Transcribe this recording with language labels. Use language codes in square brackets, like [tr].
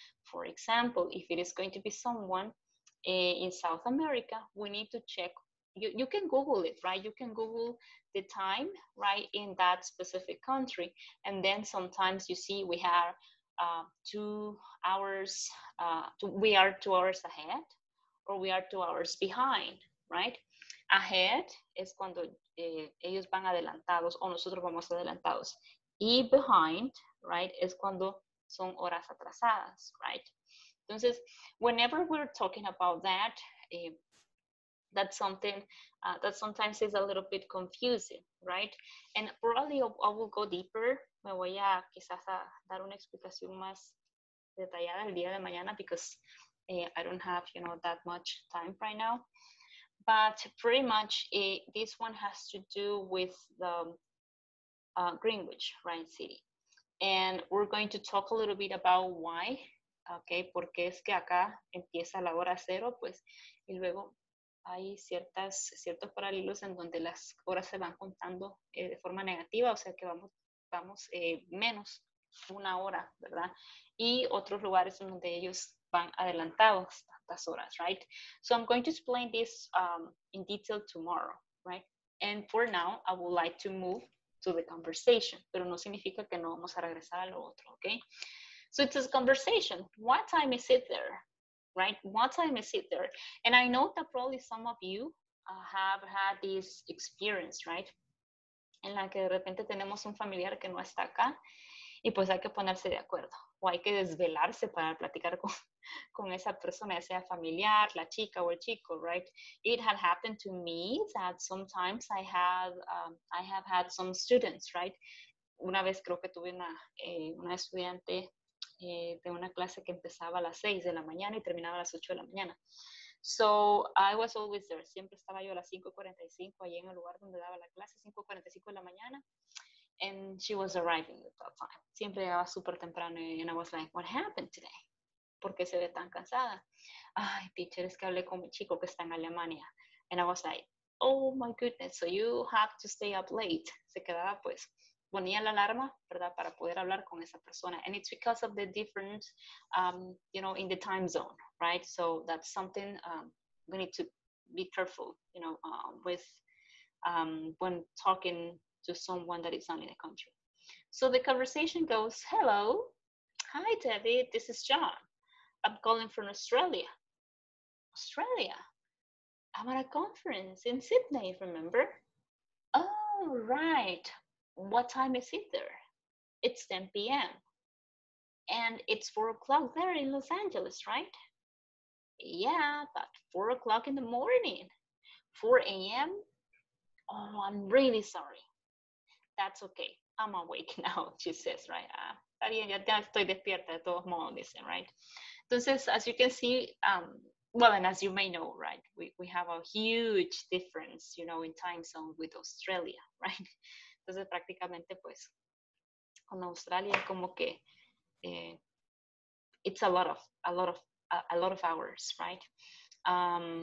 [en] For example, if it is going to be someone in South America, we need to check, you can Google it, right? You can Google the time, right, in that specific country. And then sometimes you see we have 2 hours, we are 2 hours ahead, or we are 2 hours behind, right? [es] Ahead es cuando ellos van adelantados o nosotros vamos adelantados. Y behind, right, es cuando son horas atrasadas, right? [en] Entonces, whenever we're talking about that, that's something that sometimes is a little bit confusing, right? And probably I will go deeper. [es] Me voy a quizás a dar una explicación más detallada el día de mañana [en] because I don't have, you know, that much time right now. But pretty much this one has to do with the Greenwich, right, city. And we're going to talk a little bit about why. [es] Okay, porque es que acá empieza la hora cero, pues, y luego hay ciertos paralelos en donde las horas se van contando de forma negativa, o sea que vamos menos una hora, ¿verdad? Y otros lugares en donde ellos van adelantados tantas horas, right? [en] So I'm going to explain this in detail tomorrow, right? And for now, I would like to move to the conversation, [es] pero no significa que no vamos a regresar a lo otro, [en] okay? So it's a conversation. What time is it there, right? What time is it there? And I know that probably some of you have had this experience, right? [es] En la que de repente tenemos un familiar que no está acá y pues hay que ponerse de acuerdo o hay que desvelarse para platicar con esa persona, ya sea familiar, la chica o el chico, right? [en] It had happened to me that sometimes I have had some students, right? [es] Una vez creo que tuve una estudiante de una clase que empezaba a las 6 de la mañana y terminaba a las 8 de la mañana. [en] So I was always there. [es] Siempre estaba yo a las 5:45 allí en el lugar donde daba la clase, 5:45 de la mañana. [en] And she was arriving at that time. [es] Siempre llegaba súper temprano y [en] I was like, what happened today? [es] ¿Por qué se ve tan cansada? Ay, teacher, es que hablé con mi chico que está en Alemania. [en] And I was like, oh my goodness, so you have to stay up late. [es] Se quedaba pues, ponía la alarma, ¿verdad?, para poder hablar con esa persona. [en] And it's because of the difference, you know, in the time zone, right? So that's something we need to be careful, you know, with when talking to someone that is not in the country. So the conversation goes, hello. Hi, Debbie. This is John. I'm calling from Australia. Australia? I'm at a conference in Sydney, remember? Oh, right. What time is it there? It's 10 p.m. And it's 4 o'clock there in Los Angeles, right? Yeah, but 4 o'clock in the morning. 4 a.m.? Oh, I'm really sorry. That's okay. I'm awake now, she says, right? [es] Está bien, ya estoy despierta de todos modos, dicen, right? [en] Entonces, as you can see, well, and as you may know, right, we have a huge difference, you know, in time zone with Australia, right? [es] Entonces, prácticamente, pues, con Australia, como que, [en] it's a lot of hours, [es] right?